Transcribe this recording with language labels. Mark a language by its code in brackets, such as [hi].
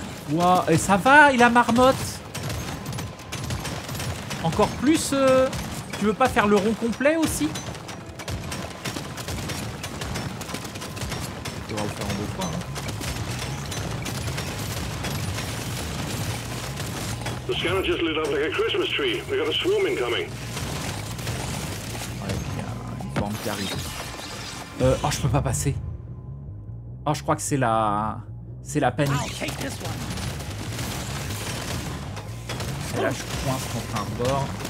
[fr] Wow, et ça va, il a marmotte. Encore plus, tu veux pas faire le rond complet aussi? On pourra le faire en deux fois. Hein. [en] The scanner just lit up like a Christmas tree. We got a swarm incoming. [fr] Ouais, il y a une bande qui arrive. Oh, je peux pas passer. Oh, je crois que c'est la... C'est la panique. [en] I'll take this one. [fr] Et là, je coince contre un bord.